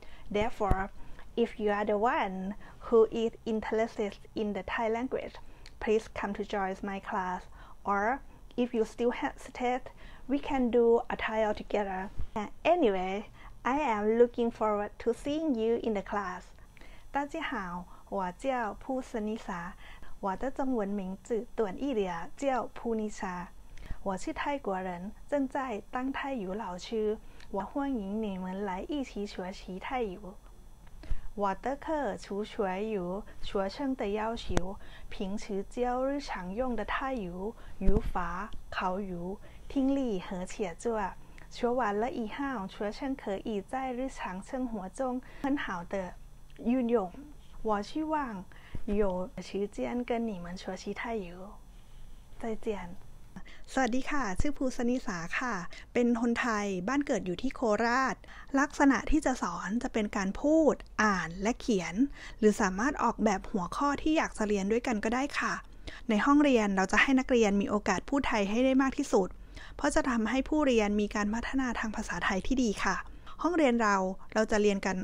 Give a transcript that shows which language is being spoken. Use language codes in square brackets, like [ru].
[en] Therefore, if you are the one who is interested in the Thai language, please come to join my class. Or if you still hesitate, we can do a Thai together. Anyway, I am looking forward to seeing you in the class. [zh] 大家好，我叫普斯尼莎，我的中文名字短一点，叫普尼莎。我是泰国人，正在当泰语老师。我欢迎你们来一起学习泰语。我的课除学语、学生的要求、平时教日常用的泰语、语法、口语、听力和写作。学完了以后，学生可以在日常生活中很好的运用。我希望有时间跟你们学习泰语。再见。 [th] สวัสดีค่ะชื่อภูสนิสาค่ะเป็นคนไทยบ้านเกิดอยู่ที่โคราชลักษณะที่จะสอนจะเป็นการพูดอ่านและเขียนหรือสามารถออกแบบหัวข้อที่อยากจะเรียนด้วยกันก็ได้ค่ะในห้องเรียนเราจะให้นักเรียนมีโอกาสพูดไทยให้ได้มากที่สุดเพราะจะทำให้ผู้เรียนมีการพัฒนาทางภาษาไทยที่ดีค่ะห้องเรียนเราจะเรียน